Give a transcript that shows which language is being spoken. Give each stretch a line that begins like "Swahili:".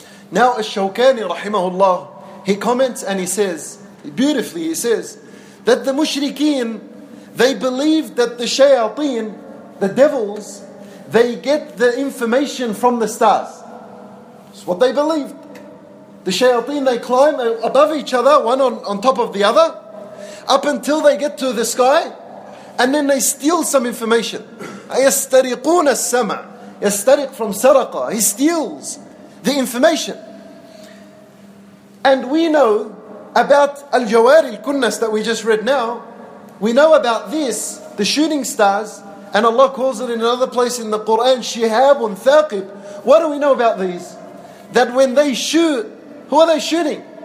English: Now Ash-Shawkani rahimahullah, he comments and he says, beautifully he says, that the mushrikeen, they believed that the shayateen, the devils, they get the information from the stars. That's what they believed. The shayateen, they climb above each other, one on top of the other, up until they get to the sky, and then they steal some information.
Arabic: يَسْتَرِقُونَ السَّمَعَ يَسْتَرِقْ from سَرَقَ.
English: He steals the information. And we know about al-jawari al-kunnas that we just read now, we know about this, the shooting stars, and Allah calls it in another place in the Quran, shihabun thaqib. What do we know about these? That when they shoot, who are they shooting?